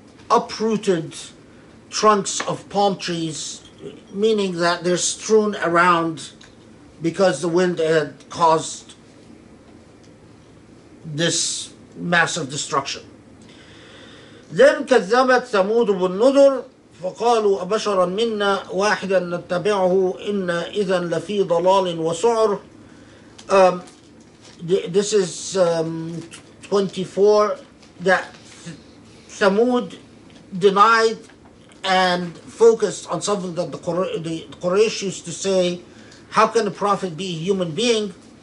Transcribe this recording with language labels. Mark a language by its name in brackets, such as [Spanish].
[English] uprooted trunks of palm trees, meaning that they're strewn around because the wind had caused this massive destruction. [Arabic] Then كذبت ثمود بالنذر فقالوا أبشرا منا واحدا نتبعه إن إذا لفي ضلال وسعر. [English] This is 24, that Thamud denied and focused on something that the Quraysh used to say, how can the Prophet be a human being?